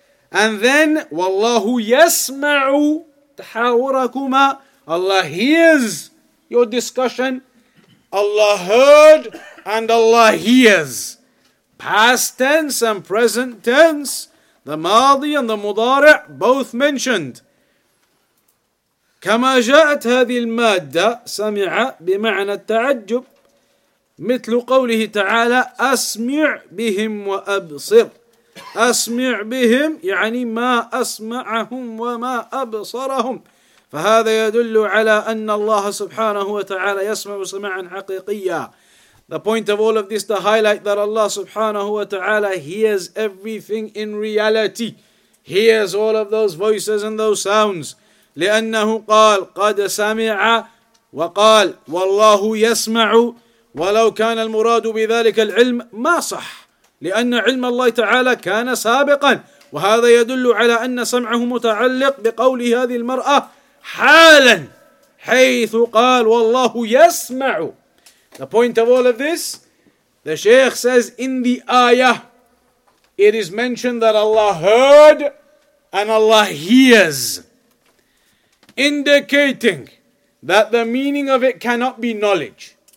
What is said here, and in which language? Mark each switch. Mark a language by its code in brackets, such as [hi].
[en] And then [ar] وَاللَّهُ يَسْمَعُ تَحَاوَرَكُمَا. [en] Allah hears your discussion. Allah heard and Allah hears. Past tense and present tense, the ماضي and the مُضَارِع, both mentioned. [ar] كَمَا جَاءَتْ هَذِي الْمَادَّةِ سَمِعَ بِمَعْنَى التَّعَجُّبِ مثل قوله تعالى أسمع بهم وأبصر. أسمع بهم يعني ما أسمعهم وما أبصرهم. فهذا يدل على أن الله سبحانه وتعالى يسمع سماعا حقيقيا. [en] The point of all of this, to highlight that Allah subhanahu wa ta'ala hears everything in reality. Hears all of those voices and those sounds. [ar] لأنه قال قد سمع وقال والله يسمع. ولو كان المراد بذلك العلم ما صح، لأن علم الله تعالى كان سابقا، وهذا يدل على أن سمعه متعلق بقول هذه المرأة حالا، حيث قال والله يسمع. [en] The point of all of this, the Shaykh says in the ayah, it is mentioned that Allah heard and Allah hears, indicating that the meaning of it cannot be knowledge.